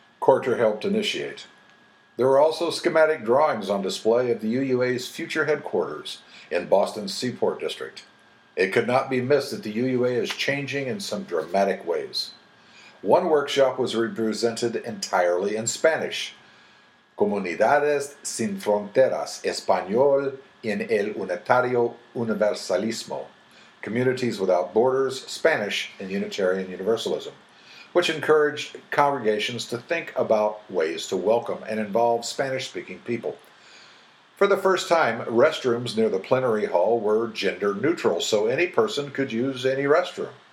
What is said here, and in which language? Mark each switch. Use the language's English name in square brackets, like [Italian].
[English] Coulter helped initiate. There were also schematic drawings on display of the UUA's future headquarters in Boston's Seaport District. It could not be missed that the UUA is changing in some dramatic ways. One workshop was represented entirely in Spanish. [Spanish] Comunidades sin fronteras, español en el unitario universalismo. [English] Communities without borders, Spanish in Unitarian Universalism, which encouraged congregations to think about ways to welcome and involve Spanish-speaking people. For the first time, restrooms near the plenary hall were gender-neutral, so any person could use any restroom.